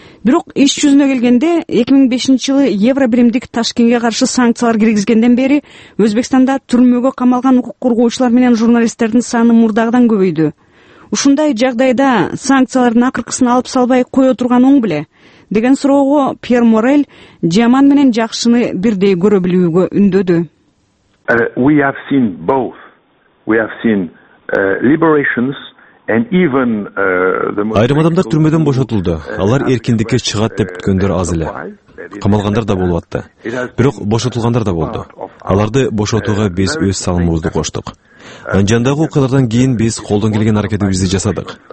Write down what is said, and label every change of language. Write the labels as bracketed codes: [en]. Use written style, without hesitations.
[ky] Бирок иш жүзүнө келгенде 2005 жылы Евробиримдик Ташкенге каршы санкциялар киргизгенден бери Өзбекстанда түрмөгө камалган укук коргоочулар менен журналисттердин саны мурдагыдан көбөйдү. Ушундай жагдайда санкциялардын акыркысын алып салбай кое турган оң беле деген суроого Пьер Морель жаман менен жакшыны бирдей көрө билүүгө үндөдү. [en] We have seen both. We have seen liberations. [ky] Айрым адамдар түрмөдөн бошотулду. Алар эркиндикке чыгат деп күткөндөр аз эле. Камалгандар да болуп атты. Бирок бошотулгандар да болду. Аларды бошотууга биз өз салымыбызды коштук. Анжандагы окуялардан кийин биз колдон келген аракетибизди жасадык.